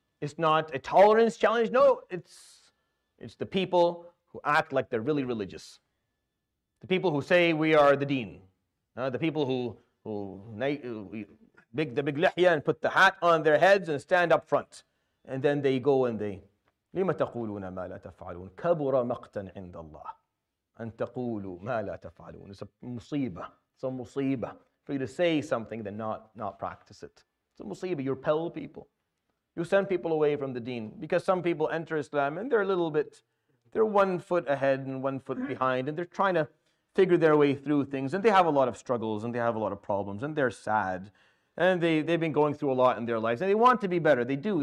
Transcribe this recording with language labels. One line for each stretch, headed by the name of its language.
English: It's not a tolerance challenge. No, it's the people who act like they're really religious. The people who say we are the deen. The people who make the big lihya and put the hat on their heads and stand up front. And then they go and they...
Arabic: لِمَ تَقُولُونَ مَا لَا تَفْعَلُونَ كَبُرَ مَقْتًا عِنْدَ اللَّهِ أَن تَقُولُوا مَا لَا تَفْعَلُونَ
English: It's a musibah. It's a musibah for you to say something then not practice it. It's a musibah. You repel people. You send people away from the deen because some people enter Islam and they're a little bit they're 1 foot ahead and 1 foot behind, and they're trying to figure their way through things, and they have a lot of struggles, and they have a lot of problems, and they're sad, and they've been going through a lot in their lives, and they want to be better. They do.